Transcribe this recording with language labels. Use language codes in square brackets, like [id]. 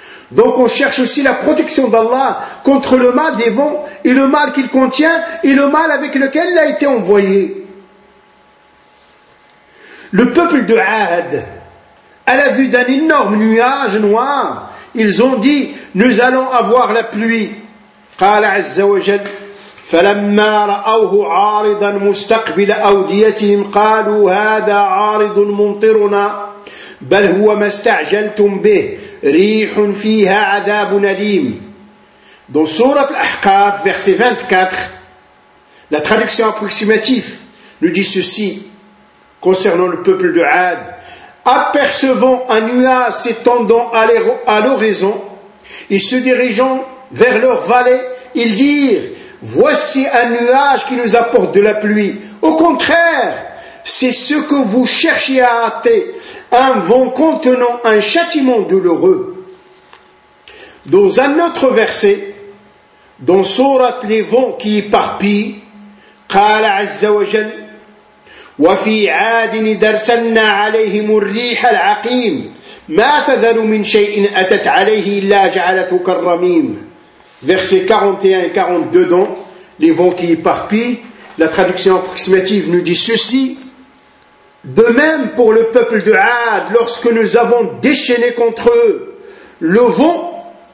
[fr] Donc on cherche aussi la protection d'Allah contre le mal des vents et le mal qu'il contient et le mal avec lequel il a été envoyé. Le peuple de Aad, à la vue d'un énorme nuage noir, ils ont dit, nous allons avoir la pluie. [ar] قال عز وجل, فلما رأوه عارضا مستقبل أوديتهم قالوا هذا عارض ممطرنا بل هو ما استعجلتم به ريح فيها عذاب أليم. [fr] Dans Sourate Al-Ahqaf, verset 24, la traduction approximative nous dit ceci, concernant le peuple de Aad, apercevant un nuage s'étendant à l'horizon et se dirigeant vers leur vallée, ils dirent, voici un nuage qui nous apporte de la pluie. Au contraire, c'est ce que vous cherchiez à hâter, un vent contenant un châtiment douloureux. Dans un autre verset, dans Sourate les vents qui éparpillent, [ar] قال عز وجل, وفي عاد درسنا عليهم الريح العقيم ما فذر من شيء أتت عليه إلا جعلته كالرميم. [fr] Verset 41 et 42 dans les vents qui éparpillent, la traduction approximative nous dit ceci, de même pour le peuple de Aad, lorsque nous avons déchaîné contre eux le vent,